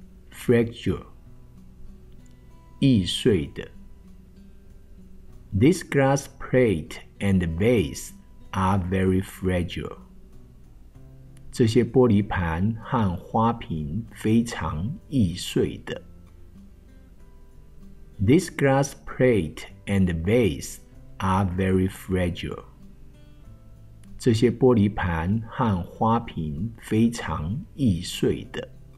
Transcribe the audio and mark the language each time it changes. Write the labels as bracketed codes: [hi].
[en] Fragile, [zh] 易碎的。 [en] This glass plate and vase. Are very fragile. [zh] 这些玻璃盘和花瓶非常易碎的。 [en] This glass plate and vase are very fragile. [zh] 这些玻璃盘和花瓶非常易碎的。